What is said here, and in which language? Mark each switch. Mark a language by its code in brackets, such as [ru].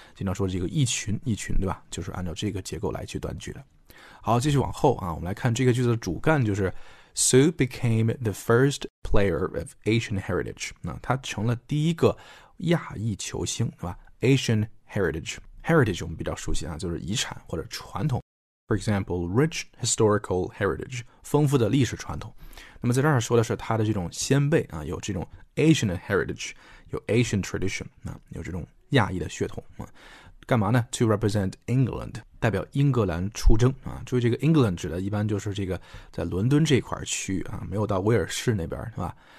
[zh] 经常说这个一群一群，对吧？就是按照这个结构来去断句的。好，继续往后啊，我们来看这个句子的主干，就是 [en] Sue became the first player of Asian heritage. [zh] 那他成了第一个亚裔球星，对吧 ？Asian heritage。 Heritage 我们比较熟悉啊，就是遗产或者传统。 [en] For example, rich historical heritage, [zh] 丰富的历史传统。那么在这儿说的是他的这种先辈啊，有这种 Asian heritage, 有 Asian tradition, 啊，有这种亚裔的血统啊。干嘛呢 ？ [en] To represent England, [zh] 代表英格兰出征啊。注意这个 England 指的一般就是这个在伦敦这块区域啊，没有到威尔士那边，是吧？